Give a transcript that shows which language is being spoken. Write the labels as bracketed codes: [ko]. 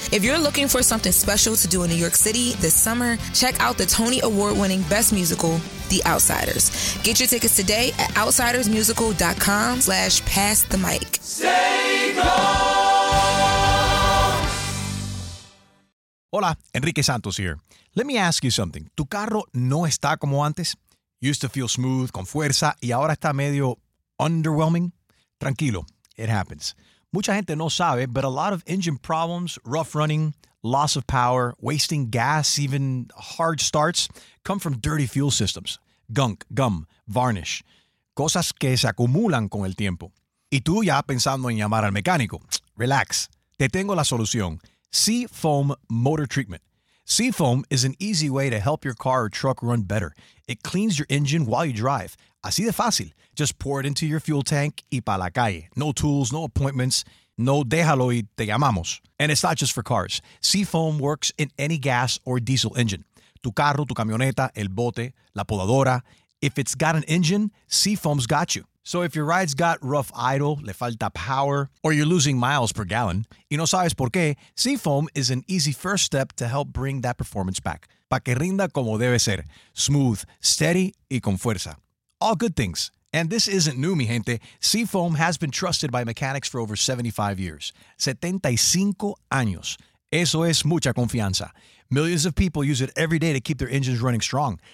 [en] If you're looking for something special to do in New York City this summer, check out the Tony Award-winning Best Musical, The Outsiders. Get your tickets today at outsidersmusical.com/pass the mic. Stay Hola, Enrique Santos here. Let me ask you something. [es] ¿Tu carro no está como antes? [en] Used to feel smooth, [es] con fuerza, y ahora está medio underwhelming? [en] Tranquilo, it happens. [es] Mucha gente no sabe, [en] but a lot of engine problems, rough running, loss of power, wasting gas, even hard starts, come from dirty fuel systems. Gunk, gum, varnish. [es] Cosas que se acumulan con el tiempo. Y tú ya pensando en llamar al mecánico. Relax. Te tengo la solución. Seafoam Motor Treatment. [en] Seafoam is an easy way to help your car or truck run better. It cleans your engine while you drive. [es] Así de fácil. [en] Just pour it into your fuel tank [es] y pa' la calle. [en] No tools, no appointments. [es] No déjalo y te llamamos. [en] And it's not just for cars. Seafoam works in any gas or diesel engine. [es] Tu carro, tu camioneta, el bote, la podadora. [en] If it's got an engine, Seafoam's got you. So if your ride's got rough idle, [es] le falta [en] power, or you're losing miles per gallon, [es] y no sabes por qué, [en] Seafoam is an easy first step to help bring that performance back. [es] Pa' que rinda como debe ser. [en] Smooth, steady, [es] y con fuerza. [en] All good things. And this isn't new, [es] mi gente. [en] Seafoam has been trusted by mechanics for over 75 years. [es] 75 años. Eso es mucha confianza. [en] Millions of people use it every day to keep their engines running strong.